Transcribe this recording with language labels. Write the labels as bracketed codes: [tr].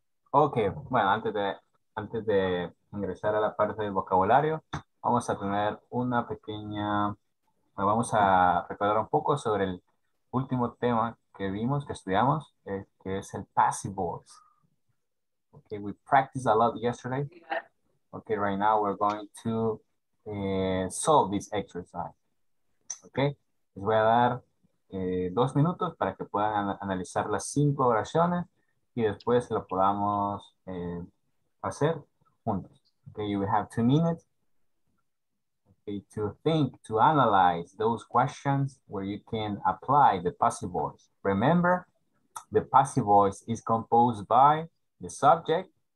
[es] Okay, bueno, antes de ingresar a la parte del vocabulario, vamos a tener una pequeña, vamos a recordar un poco sobre el último tema que vimos, que estudiamos, que es el passive voice. [en] Okay, we practiced a lot yesterday. Okay, right now we're going to solve this exercise. [es] Okay, les voy a dar 2 minutos para que puedan analizar las 5 oraciones y después lo podamos hacer juntos. [en] Okay, you have 2 minutes. Okay, to think, to analyze those questions where you can apply the passive voice. Remember, the passive voice is composed by the subject.